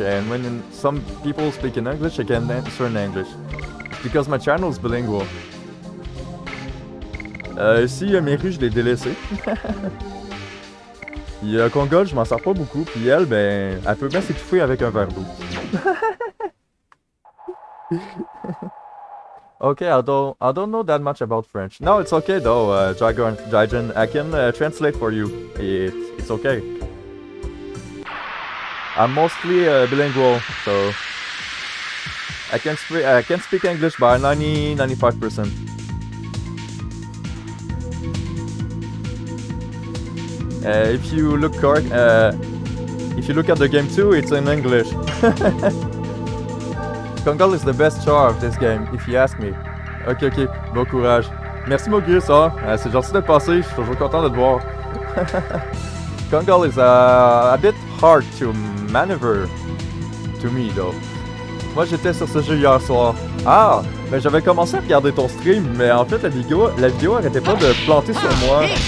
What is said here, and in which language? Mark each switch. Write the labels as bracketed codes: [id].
[en] And when some people speak in English, I can answer in English. Because my channel is bilingual. [fr] Ici, il y a mes rues, je l'ai délaissé. Il y a Congol, je m'en sers pas beaucoup. Puis elle, ben, elle peut bien s'étouffer avec un verre d'eau. [en] Okay, I don't know that much about French. No, it's okay though, Dragon, Jaijin. I can translate for you. It's okay. I'm mostly bilingual, so I can speak English by 90-95%. If you look correct, if you look at the game too, it's in English. Kongal is the best char of this game, if you ask me. [fr] Ok, ok, bon courage. Merci Mogus, hein? C'est gentil d'être passé, je suis toujours content de te voir. [en] Kongal is a bit hard to maneuver to me, though. [fr] Moi, j'étais sur ce jeu hier soir. Ah, ben j'avais commencé à regarder ton stream, mais en fait, la vidéo arrêtait pas de planter sur moi.